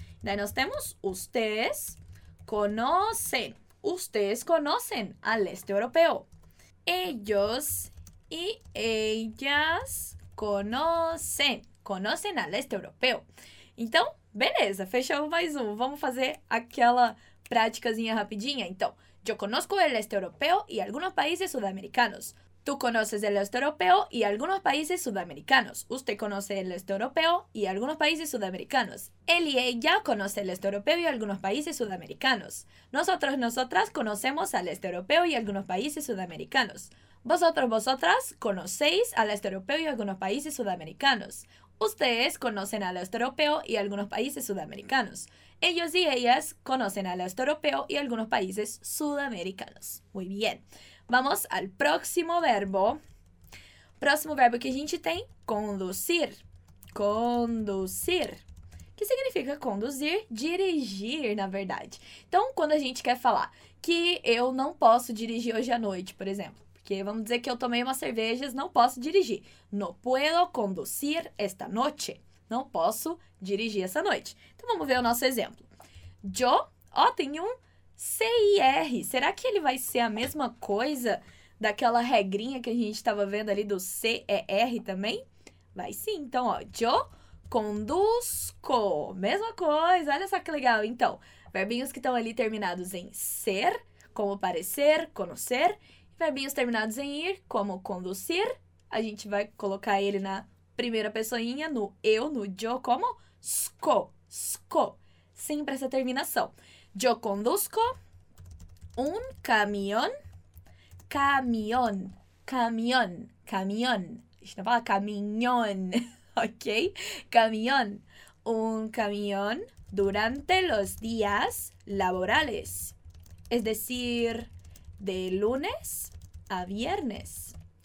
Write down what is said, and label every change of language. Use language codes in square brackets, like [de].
[pt] Daí nós temos [es] ustedes conocen. Ustedes conocen al este europeo. Ellos y ellas conocen. Conocen al este europeo. [pt] Então, beleza, fechamos mais um. Vamos fazer aquela praticazinha rapidinha. [es] Então, yo conozco el este europeo y algunos países sudamericanos. Tú conoces el este europeo y algunos países sudamericanos. Usted conoce el este europeo y algunos países sudamericanos. Él y ella conoce el este europeo y algunos países sudamericanos. Nosotros, nosotras conocemos al este europeo y algunos países sudamericanos. Vosotros, vosotras conocéis al este europeo y algunos países sudamericanos. Ustedes conocen al este europeo y algunos países sudamericanos. Ellos y ellas conocen al este europeo y algunos países sudamericanos. Muy bien. Vamos al próximo verbo. [pt] Próximo verbo que a gente tem, [es] conducir. Conducir. [pt] Que significa conduzir? Dirigir, na verdade. Então, quando a gente quer falar que eu não posso dirigir hoje à noite, por exemplo. Porque vamos dizer que eu tomei umas cervejas, não posso dirigir. [es] No puedo conducir esta noche. [pt] Não posso dirigir essa noite. Então, vamos ver o nosso exemplo. Yo, ó, tem um C-I-R. Será que ele vai ser a mesma coisa daquela regrinha que a gente estava vendo ali do C-E-R também? Vai sim. Então, ó, yo conduzco. Mesma coisa. Olha só que legal. Então, verbinhos que estão ali terminados em ser, como parecer, conocer. Verbinhos terminados em ir, como conduzir, a gente vai colocar ele na primeira pessoinha, no eu, no yo, como sco, sco. Sempre essa terminação. [es] Yo conduzco un camión, camión, camión, camión. [pt] A gente não fala caminhón, ok? [es] Camión, un camión durante los días laborales. Es decir, de lunes a viernes.